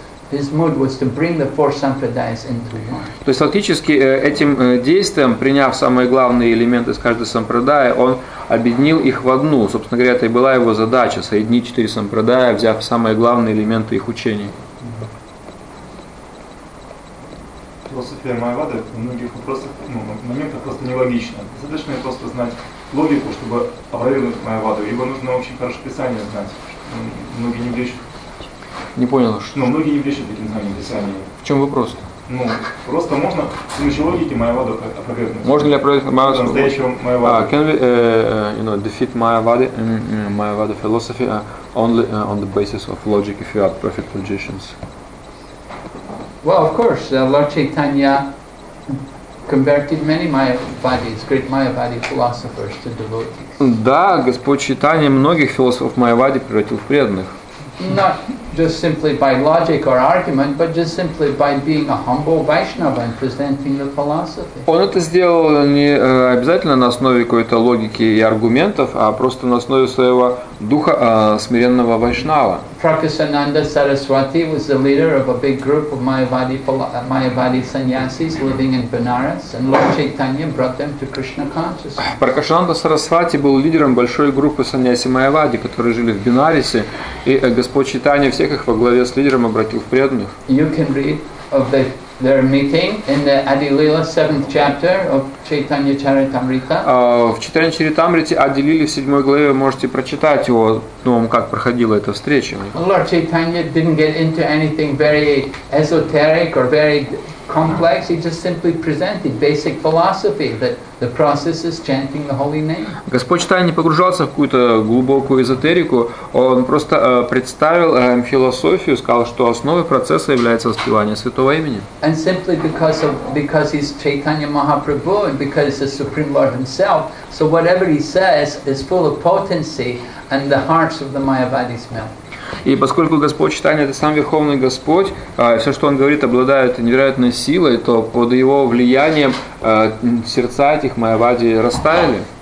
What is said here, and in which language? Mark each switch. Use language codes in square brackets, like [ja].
[en] His mood was to bring the four sampradayas into one. [ru] То есть фактически этим действием, приняв самые главные элементы из каждой сампрадая, он объединил их в одну. Собственно говоря, это и была его задача – соединить четыре сампрадая, взяв самые главные элементы их учения. Философия Майявады в многих вопросах, моментах просто нелогична. Достаточно просто знать логику, чтобы опровергнуть Майяваду, либо нужно очень хорошее писание знать, что многие не влечут. Не понял, что. Но многие не пишут таким знанием писания. В чем вопрос? Просто можно с помощью логики Майявады опровергнуть. Можно ли опровергнуть Майяваду? Настоящего Майявады. [en] Can we, defeat Майявады, Майявада philosophy only on the basis of logic if you are perfect logicians? Well, of course, Lord Chaitanya converted many Mayavadis, great Mayavadi philosophers to devotees. [ru] Да, Господь Чайтанья многих философов Майявады превратил в преданных. [en] Not just simply by logic or argument, but just simply by being a humble Vaishnava and presenting the philosophy. [ru] Он это сделал не обязательно на основе какой-то логики и аргументов, а просто на основе своего духа смиренного Вайшнава. [en] Prakasananda Saraswati was the leader of a big group of Mayavadi sannyasis living in Benares, and Lord Chaitanya brought them to Krishna consciousness. [ru] Prakasananda Saraswati был лидером большой группы саньяси Майявади, которые жили в Бенарисе, и Господь Чайтанья всех их во главе с лидером обратил в преданных. [en] You can read of their meeting in the Adilila 7th chapter of Chaitanya Charitamrita. [ru] В Чайтанья Чаритамрите Адилиле в 7 главе вы можете прочитать его, как проходила эта встреча. [en] Lord Chaitanya didn't get into anything very esoteric or very complex. He just simply presented basic philosophy that the process is chanting the holy name. [ru] Господь Чайтанья не погружался в какую-то глубокую эзотерику. Он просто представил философию, сказал, что основой процесса является воспевание святого имени. [en] And simply because he's Chaitanya Mahaprabhu and because he's the Supreme Lord himself, so whatever he says is full of potency and the hearts of the Mayavadis melt. [ru] И поскольку Господь Чайтанья – это сам Верховный Господь, все, что Он говорит, обладает невероятной силой, то под Его влиянием сердца этих Майявади растаяли.